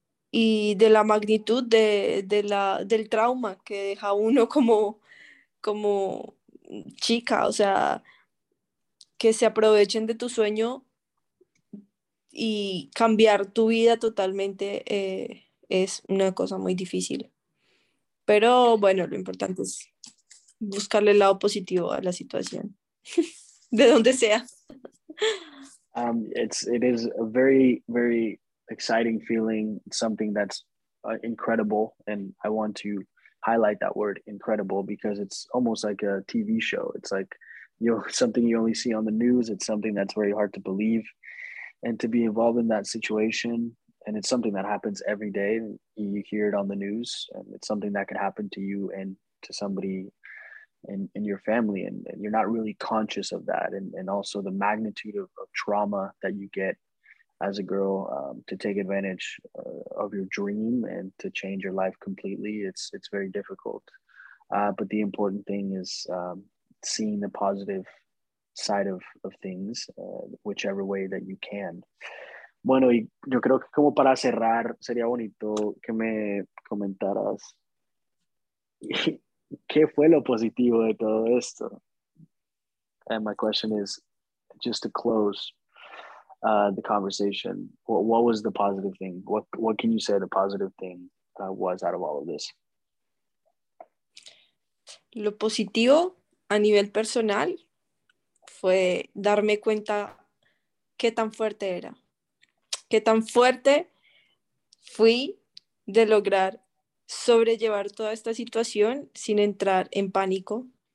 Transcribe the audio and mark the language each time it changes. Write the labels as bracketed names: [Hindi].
[Spanish] Y de la magnitud del trauma que deja uno como chica, o sea, que se aprovechen de tu sueño y cambiar tu vida totalmente es una cosa muy difícil. Pero bueno, lo importante es buscarle el lado positivo a la situación, de donde sea. [English] It is a very, very exciting feeling, something that's incredible. And I want to highlight that word incredible because it's almost like a TV show. It's like, something you only see on the news. It's something that's very hard to believe and to be involved in that situation. And it's something that happens every day. You hear it on the news, and it's something that could happen to you and to somebody in your family, and you're not really conscious of that. And also the magnitude of trauma that you get as a girl, to take advantage of your dream and to change your life completely, it's very difficult. But the important thing is seeing the positive side of things, whichever way that you can. [Spanish] Bueno, y yo creo que como para cerrar, sería bonito que me comentaras qué fue lo positivo de todo esto. [English] And my question is, just to close the conversation, what was the positive thing? What can you say the positive thing was out of all of this? [Spanish] Lo positivo a nivel personal fue darme cuenta qué tan fuerte era, qué tan fuerte fui de lograr sobrellevar toda esta situación sin entrar en pánico.